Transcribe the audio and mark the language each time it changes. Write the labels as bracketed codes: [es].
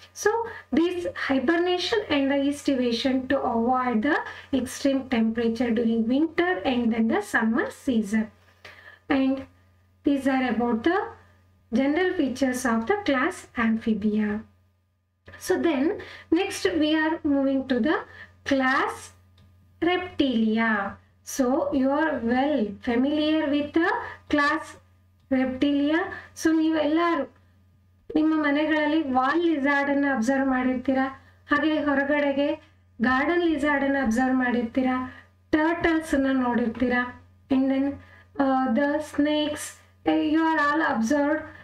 [en] So these hibernation and the aestivation to avoid the extreme temperature during winter and then the summer season. And these are about the general features of the class Amphibia. So then next we are moving to the class Reptilia. So you are well familiar with the class Reptilia. [kn] So ನೀವೆಲ್ಲರೂ ನಿಮ್ಮ ಮನೆಗಳಲ್ಲಿ wall ಲಿಜಾರ್ಡ್ ಅನ್ನು observe ಮಾಡಿರ್ತೀರಾ, ಹಾಗೆ ಹೊರಗಡೆಗೆ garden ಲಿಜಾರ್ಡ್ ಅನ್ನು observe ಮಾಡಿರ್ತೀರಾ, turtles ಅನ್ನು ನೋಡಿರ್ತೀರಾ, [en] And then the snakes, you are all observed.